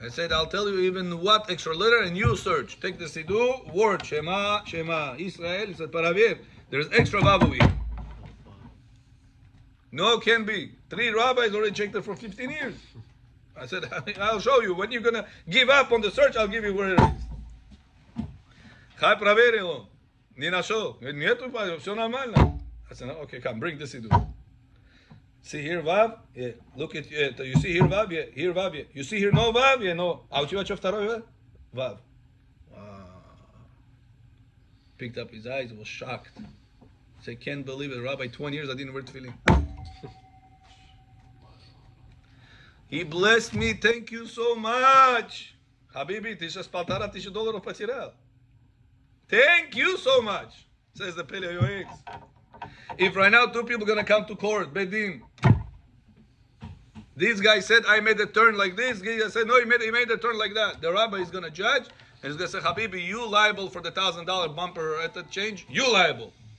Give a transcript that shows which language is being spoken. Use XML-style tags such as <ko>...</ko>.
<en>I said, I'll tell you even what extra letter and you search. Take the Sidu, word, Shema, Shema, Israel. He said, Paraviev, there is extra vav over here. No, can be. 3 rabbis already checked it for 15 years. I said, I'll show you. When you're going to give up on the search, I'll give you where it is.</en> <ru>Хай проверил он. Не нашел. Говорит, нету, все нормально.</ru> <en>I said, okay, come, bring the Siddur. See here, Vav? Yeah. Look at you. Yeah. You see here, Vav? Yeah. Here, Vav? Yeah. You see here, no Vav? Yeah, no.</en> <ru>А у тебя что второй, Вав? Вав.</ru> <en>Picked up his eyes, was shocked. He said, can't believe it, Rabbi, 20 years I didn't wear tefillin. He blessed me, thank you so much.</en> <ru>Habibi, ты сейчас полтора тысячи долларов потерял.</ru> <en>Thank you so much, says the Pele Yoex. If right now 2 people are going to come to court, Bedin. This guy said, I made a turn like this. He said, no, he made a turn like that. The rabbi is going to judge. And he's going to say, Habibi, you liable for the $1,000 bumper at the change. You liable.</en>